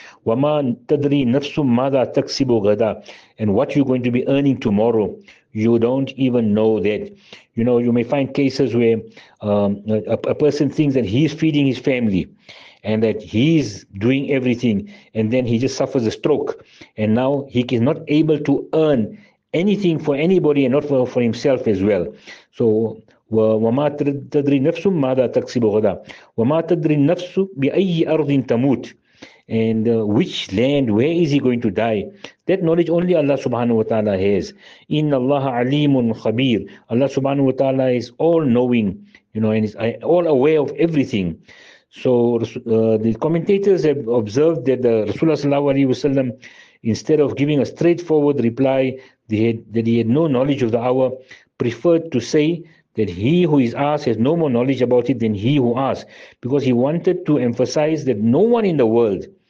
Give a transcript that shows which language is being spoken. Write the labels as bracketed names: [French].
[Arabic] وَمَا تَدْرِي نَفْسُ مَاذَا تَكْسِبُ غَدًا, [English] and what you're going to be earning tomorrow, you don't even know that. You know, you may find cases where a person thinks that he's feeding his family and that he's doing everything, and then he just suffers a stroke, and now he is not able to earn anything for anybody and not for himself as well. [Arabic] So وَمَا تَدْرِي نَفْسُ مَاذَا تَكْسِبُ غَدًا وَمَا تَدْرِي نَفْسُ بِأَيِّ أَرْضٍ تَمُوتُ, [English] and which land, where is he going to die? That knowledge only Allah subhanahu wa ta'ala has. [Arabic] Inna Allah alimun khabir, [English] Allah subhanahu wa ta'ala is all knowing, you know, and is all aware of everything. So the commentators have observed that the Rasulullah sallallahu alaihi wasallam, instead of giving a straightforward reply that he had no knowledge of the hour, preferred to say that he who is asked has no more knowledge about it than he who asked, because he wanted to emphasize that no one in the world,